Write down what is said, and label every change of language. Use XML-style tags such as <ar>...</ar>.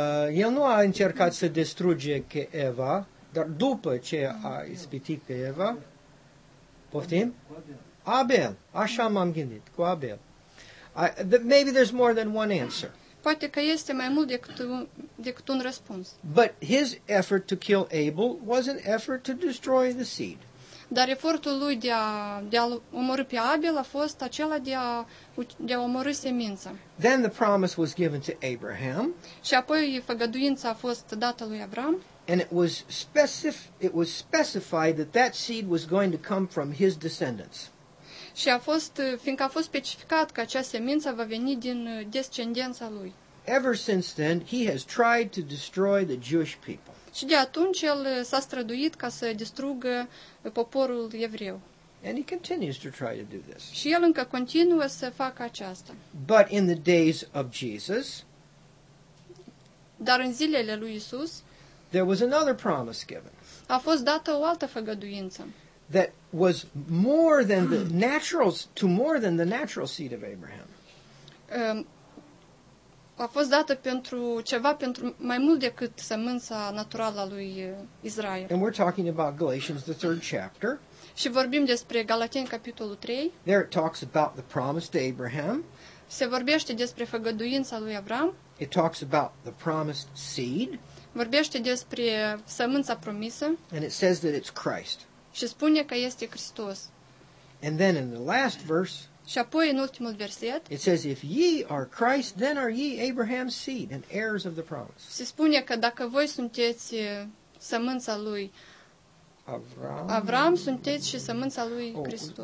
<ro>El nu a încercat să distruge Eva, dar după ce a ispitit pe Eva, poftim? Abel. Așa m-am gândit, cu Abel.</ro> <en>Maybe there's more than one answer.</en> <ro>Poate că este mai mult decât un răspuns.</ro> <en>But his effort to kill Abel was an effort to destroy the seed.</en> <ro>Dar efortul lui de a omorî pe Abel a fost acela de a omorî semința.</ro> <en>Then the promise was given to Abraham.</en> <ro>Și apoi făgăduința a fost dată lui Avram.</ro> <en>And it was specified that seed was going to come from his descendants.</en> <ro>Și fiindcă a fost specificat că acea semință va veni din descendența lui.</ro> <en>Ever since then, he has tried to destroy the Jewish people.</en> <ro>Și de atunci el s-a străduit ca să distrugă poporul evreu.</ro> <en>And he continues to try to do this.</en> <ro>Și el încă continuă să facă aceasta.</ro> <en>But in the days of Jesus,</en> <ro>dar în zilele lui Isus,</ro> <en>there was another promise given.</en> <ro>A fost dată o altă făgăduință.</ro> <en>That was more than the natural, to more than the natural seed of Abraham.</en> <ro>a fost dată pentru ceva, pentru mai mult decât sămânța naturală a lui Israel.</ro> <en>And we're talking about Galatians, the third chapter.</en> <ro>Și vorbim despre Galateni, capitolul 3.</ro> <en>There it talks about the promise to Abraham.</en> <ro>Se vorbește despre făgăduința lui Avram.</ro> <en>It talks about the promised seed.</en> <ro>Vorbește despre sămânța promisă.</ro> <en>And it says that it's Christ.</en> <ro>Și spune că este Hristos.</ro> <en>And then in the last verse,</en> <ro>și apoi în ultimul verset,</ro> <en>it says, if ye are Christ, then are ye Abraham's seed and heirs of the promise.</en> <ro>Se spune că dacă voi sunteți sămânța lui Avram, sunteți și sămânța lui Hristos.</ro>